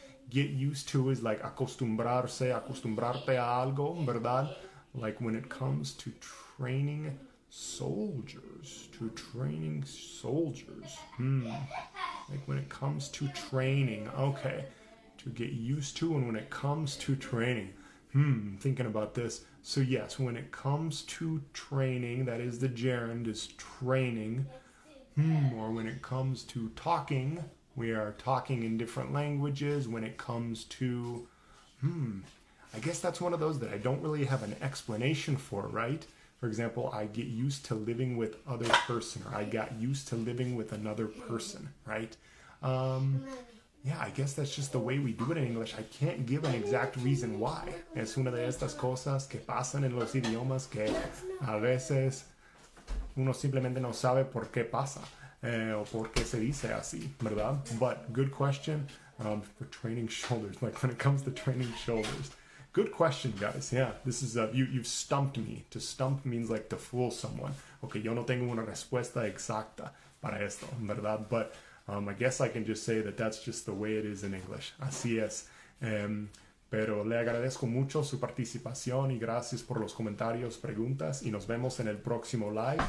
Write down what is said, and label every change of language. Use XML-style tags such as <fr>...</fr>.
<en>Get used to is like</en> <es>acostumbrarse, acostumbrarte a algo, ¿verdad?</es> <en>Like when it comes to training soldiers, to training soldiers. Like when it comes to training. Okay. To get used to, and when it comes to training. Thinking about this. So yes, when it comes to training, that is the gerund, is training. Or when it comes to talking, We are talking in different languages when it comes to, I guess that's one of those that I don't really have an explanation for, right? For example, I get used to living with other person, or I got used to living with another person, right? Yeah, I guess that's just the way we do it in English. I can't give an exact reason why.</en> <es>Es una de estas cosas que pasan en los idiomas que a veces uno simplemente no sabe por qué pasa, o por qué se dice así, ¿verdad?</es> <en>But good question, for training shoulders, like when it comes to training shoulders. Good question, guys. Yeah, this is you've stumped me. To stump means like to fool someone.</en> <es>Okay, yo no tengo una respuesta exacta para esto, ¿verdad?</es> <en>But I guess I can just say that that's just the way it is in English.</en> <es>Así es. Pero le agradezco mucho su participación y gracias por los comentarios, preguntas y nos vemos en el próximo live.</es>